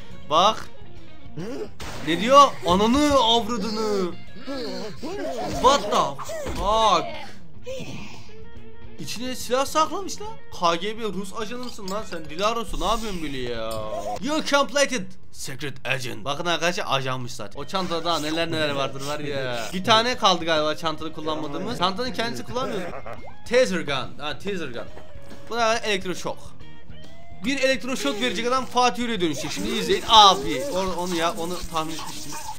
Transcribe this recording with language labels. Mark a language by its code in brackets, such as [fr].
[tr] Bak. Ne diyor? Ananı avradını. [en] What the fuck? [tr] İçine silah saklamış lan. KGB Rus ajanı mısın lan sen? Dilaros'un ne yapıyorsun böyle ya? [en] You completed secret agent. [tr] Bakın arkadaşlar ajanmış zaten. O çantada daha neler neler vardır var ya. Bir tane kaldı galiba çantada kullanmadığımız. Çantanın kendisi kullanmıyoruz. Taser gun. Ha taser gun. Bu da elektroşok. Bir elektroşok verecek adam Fatih Yürü'ye dönüşecek. Şimdi izleyin abi. Onu ya onu tahmin etmiştim.